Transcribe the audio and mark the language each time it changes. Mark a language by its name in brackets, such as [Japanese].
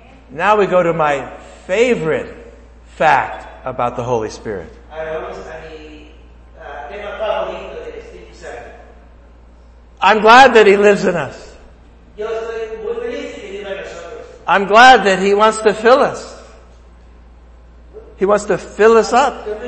[English] Now we go to my favorite fact about the Holy Spirit. [Spanish] Ahora vamos a mi tema favorito del Espíritu Santo. [English] I'm glad that he lives in us. [Spanish] Yo estoy muy feliz que vive en nosotros. [English] I'm glad that he wants to fill us. He wants to fill us up.